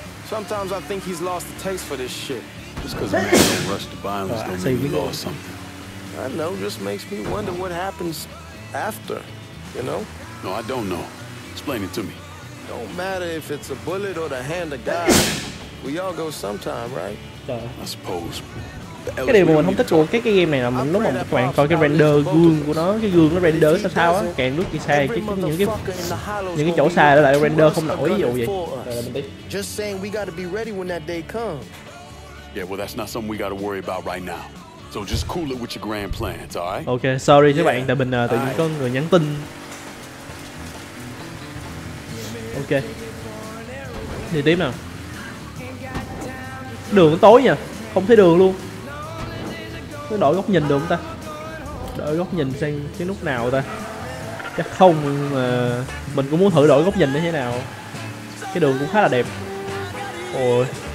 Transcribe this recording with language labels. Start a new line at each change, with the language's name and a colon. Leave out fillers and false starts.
English: Sometimes I think he's lost the taste for this shit. Just because I'm in a rush to buy him is gonna mean we lost something. I know, just makes me wonder what happens after, you know? No, I don't know. Explain it to me. Don't matter if it's a bullet or the hand of God. We all go sometime, right? I suppose.
Vietnamese: Cái điều mà mình không thích của cái game này là mình lúc mà các bạn coi cái render gương của nó, cái gương nó render sao sao á, càng lúc đi xa thì những cái chỗ xa đó lại render không nổi dù vậy.
English: Just saying we gotta be ready when that day comes. Yeah, well that's not something we gotta worry about right now. So just cool it with your grand plans, alright?
Vietnamese: Okay, sorry các bạn, tại mình tự nhiên có người nhắn tin. Okay. Đi tiếp nào. Đường tối nha, không thấy đường luôn. Đổi góc nhìn được không ta? Đổi góc nhìn sang cái nút nào ta? Chắc không, mà mình cũng muốn thử đổi góc nhìn như thế nào. Cái đường cũng khá là đẹp. Ôi.